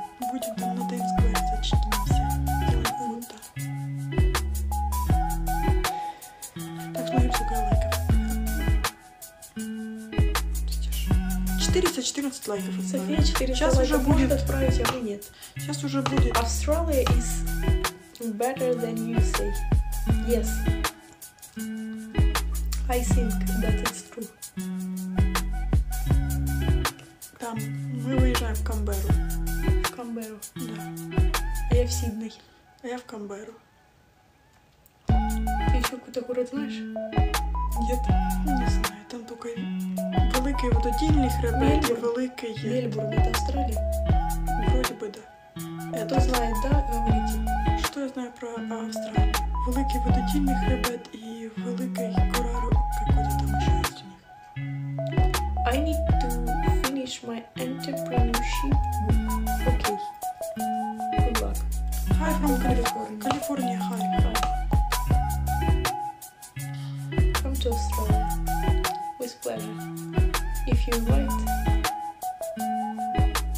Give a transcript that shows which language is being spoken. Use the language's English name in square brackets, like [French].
[Russian] Будем там на Таймс-сквер зачтимся. Делаем фото. Так, смотрим, сколько лайков. 414 лайков. София, 400 лайков. Будет... Может отправить, а вы нет. Сейчас уже будет. [English] Australia is better than you say. Yes. I think that it's true. [Russian] Там. Мы выезжаем в Камберу. В Камберу? Да. А я в Сидней. А я в Камберу. Ты еще какой-то город знаешь? Нет. Ну, не знаю. Там только великий вот отдельный хребет и великий... Мельбурн. Это Австралия? Вроде бы да. Кто знает, да? Говорите. Что я знаю про Австралию? [Ukrainian] Великий водотільний хребет і великий корару, який там ще є у них. [English] I need to finish my entrepreneurship book. Окей. Okay. Good luck. Hi from California. California, hi. Hi. Come to Australia. With pleasure. If you invite.